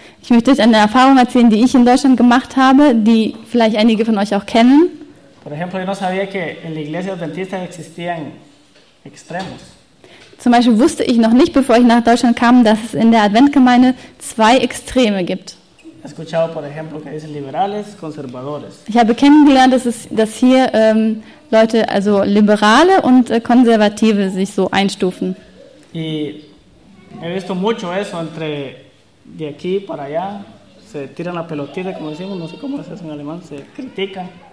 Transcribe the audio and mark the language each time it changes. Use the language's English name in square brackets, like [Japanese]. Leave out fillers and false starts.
[German] Ich möchte euch eine Erfahrung erzählen, die ich in Deutschland gemacht habe, die vielleicht einige von euch auch kennen. [Spanish] Por ejemplo, yo no sabía que en la iglesia adventista existían extremos. [German] Zum Beispiel wusste ich noch nicht, bevor ich nach Deutschland kam, dass es in der Adventgemeinde zwei Extreme gibt. [Spanish] He escuchado, por ejemplo, que dicen liberales, conservadores. [German] Ich habe kennengelernt, dass hier Leute, also Liberale und Konservative, sich so einstufen. [Spanish] Y he visto mucho eso entre de aquí para allá, se tiran la pelotita, como decimos, no sé cómo es eso en alemán, se critican.